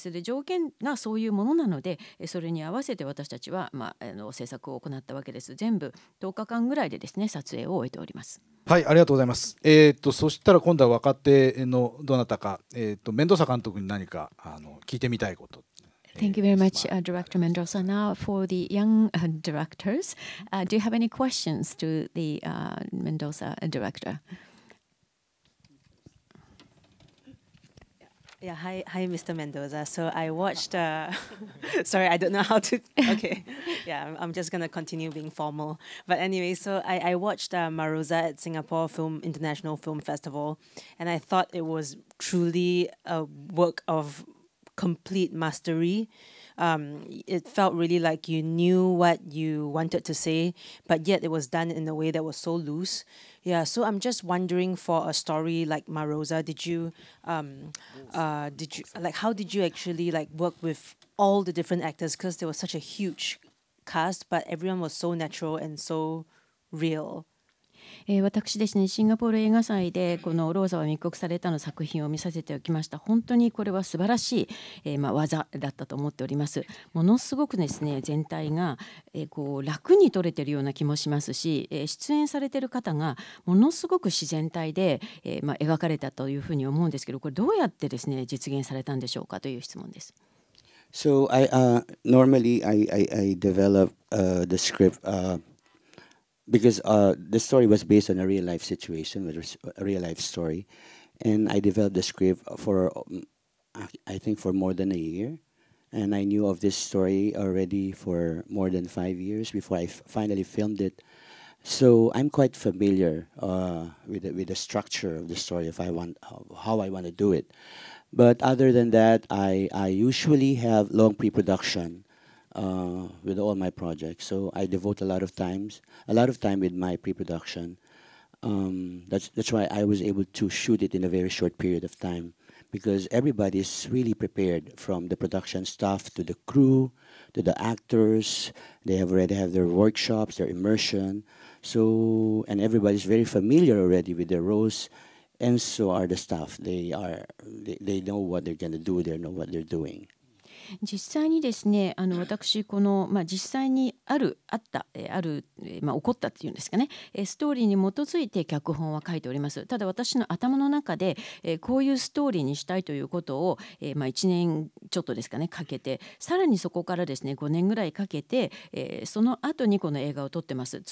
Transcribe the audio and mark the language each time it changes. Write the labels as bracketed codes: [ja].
[ja] それで条件がそういうものなので、それに合わせて私たちは、制作を行ったわけです。全部10日間ぐらいでですね撮影を終えております。はい、ありがとうございます。そしたら今度は若手のどなたか、メンドーサ監督に何か聞いてみたいこと。 [en] Thank you very much, Director Mendoza. Now, for the young directors, do you have any questions to the Mendoza director? Yeah, hi, Mr. Mendoza. So I watched... sorry, I don't know how to... Okay, yeah, I'm just going to continue being formal. But anyway, so I watched Marosa at Singapore Film International Film Festival, and I thought it was truly a work of... complete mastery. It felt really like you knew what you wanted to say, but yet it was done in a way that was so loose. Yeah, so I'm just wondering, for a story like Marosa, how did you actually like work with all the different actors, because there was such a huge cast, but everyone was so natural and so real. [ja] 私ですね、シンガポール映画祭でこのローザは密告されたの作品を見させておきました。本当にこれは素晴らしい、技だったと思っております。ものすごくですね、全体が、楽に撮れているような気もしますし、出演されている方がものすごく自然体で、描かれたというふうに思うんですけど、これどうやってですね実現されたんでしょうかという質問です。 [en] So I, normally I develop, the script, Because the story was based on a real life situation, a real life story. And I developed the script for, I think, for more than a year. And I knew of this story already for more than 5 years before I finally filmed it. So I'm quite familiar with the structure of the story, how I want to do it. But other than that, I usually have long pre-production. With all my projects, so I devote a lot of time with my pre-production. That's why I was able to shoot it in a very short period of time, because everybody is really prepared, from the production staff to the crew to the actors. They have already have their workshops, their immersion, so, and everybody's very familiar already with their roles, and so are the staff. They know what they're going to do, they know what they're doing. [ja] 実際にですね、私この、実際にあるあった、ある、起こったっていうんですかね、ストーリーに基づいて脚本は書いております。ただ私の頭の中で、こういうストーリーにしたいということを、1年ちょっとですかねかけて、さらにそこからですね5年ぐらいかけて、その後にこの映画を撮ってます。